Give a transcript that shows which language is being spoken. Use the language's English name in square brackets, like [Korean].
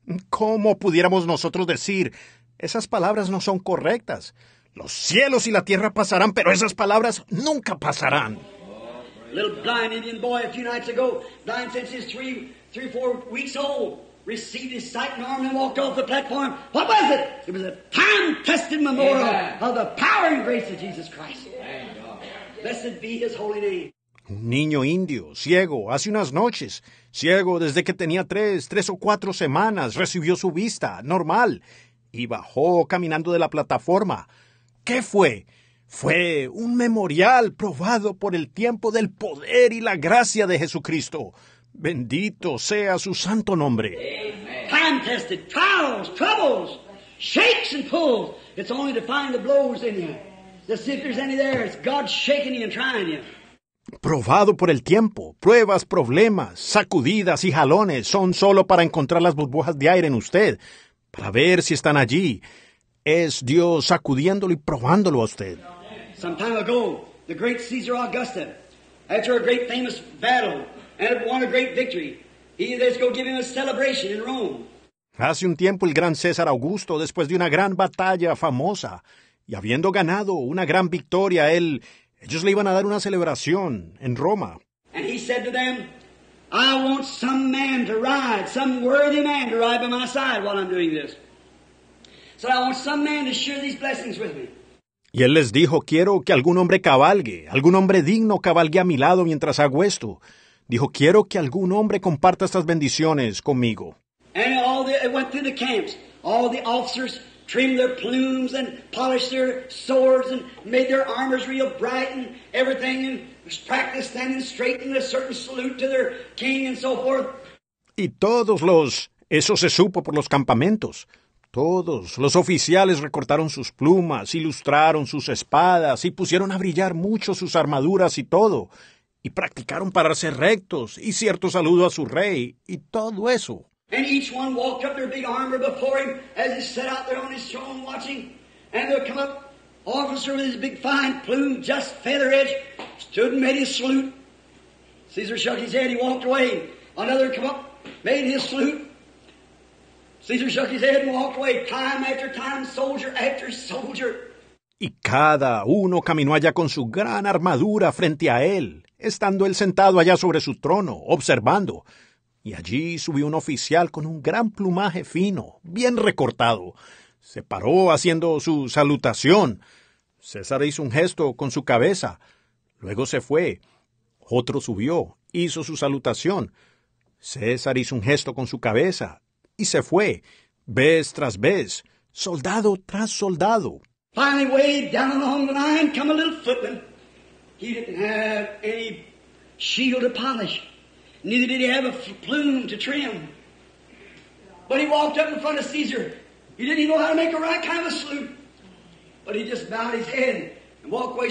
[Spanish] ¿Cómo pudiéramos nosotros decir, esas palabras no son correctas? Los cielos y la tierra pasarán, pero esas palabras nunca pasarán. [English] Little blind Indian boy a few nights ago, blind since he's three, four weeks old, received his sight and arm and walked off the platform. What was it? It was a time-tested memorial of the power and grace of Jesus Christ. Blessed be His holy name. [Spanish] Un niño indio, ciego, hace unas noches, ciego desde que tenía tres o cuatro semanas, recibió su vista, normal, y bajó caminando de la plataforma. ¿Qué fue? Fue un memorial probado por el tiempo del poder y la gracia de Jesucristo. Bendito sea su santo nombre. [English] Time tested, trials, troubles, shakes and pulls. It's only to find the blows in you. To see if there's any there. It's God shaking you and trying you. [Spanish] Probado por el tiempo, pruebas, problemas, sacudidas y jalones son solo para encontrar las burbujas de aire en usted, para ver si están allí. Es Dios sacudiéndolo y probándolo a usted. [English] Some time ago, the great Caesar Augusta, after a great famous battle, and won a great victory, he let's go give him a celebration in Rome. [Spanish] Hace un tiempo, el gran César Augusto, después de una gran batalla famosa, y habiendo ganado una gran victoria, ellos le iban a dar una celebración en Roma. [English] And he said to them, I want some man to ride, some worthy man to ride by my side while I'm doing this. So I want some man to share these blessings with me. [Spanish] Y él les dijo, quiero que algún hombre cabalgue, algún hombre digno cabalgue a mi lado mientras hago esto. Dijo, quiero que algún hombre comparta estas bendiciones conmigo. [English] And all the, it went through the camps. All the officers trimmed their plumes and polished their swords and made their armors real bright and everything and practiced standing straight in a certain salute to their king and so forth. [Spanish] Y todos los, eso se supo por los campamentos. Todos los oficiales recortaron sus plumas, ilustraron sus espadas y pusieron a brillar mucho sus armaduras y todo. Y practicaron pararse rectos y cierto saludo a su rey y todo eso. [English] And each one walked up their big armor before him as he sat out there on his throne watching. And there come up officer with his big fine plume, just feather edge, stood and made his salute. Caesar shook his head, he walked away. Another come up, made his salute. Caesar shook his head and walked away, time after time, soldier after soldier. [Spanish] Y cada uno caminó allá con su gran armadura frente a él, estando él sentado allá sobre su trono, observando. Y allí subió un oficial con un gran plumaje fino, bien recortado. Se paró haciendo su salutación. César hizo un gesto con su cabeza. Luego se fue. Otro subió, hizo su salutación. César hizo un gesto con su cabeza. Y se fue, vez tras vez, soldado tras soldado. [English] Finally, way down along the line, come a little footman. He didn't have any shield to polish. Neither did he have a plume to trim. But he walked up in front of Caesar. He didn't even know how to make a right kind of salute. But he just bowed his head and walked away.